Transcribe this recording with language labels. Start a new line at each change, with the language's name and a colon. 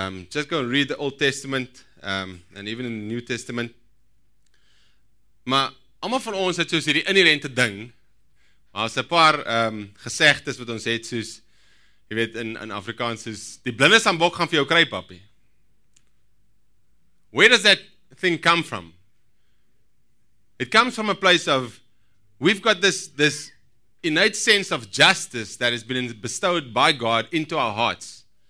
English: Just go read the Old Testament and even in the New Testament.
Afrikaans: Maar almal van ons het soos hierdie inherente ding. Daar's 'n paar gesegdes wat ons het soos jy weet, in Afrikaans is, die blinde sambok gaan vir jou kry, papie.
English: Where does that thing come from? It comes from a place of, we've got this innate sense of justice that has been bestowed by God into our hearts.